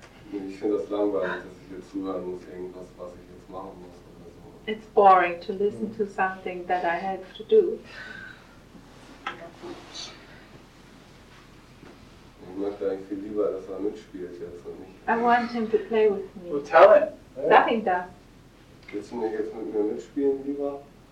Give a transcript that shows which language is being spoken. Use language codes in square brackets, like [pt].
[de] Ich finde das langweilig, dass ich jetzt zuhören muss, irgendwas, was ich jetzt machen muss. [en] It's boring to listen to something that I have to do. [de] Ja, möchte eigentlich viel lieber, dass er mitspielt jetzt und nicht. [en] I want him to play with me. Well, tell him. [de] Sag ihm das. Willst du mir jetzt mit mir mitspielen lieber?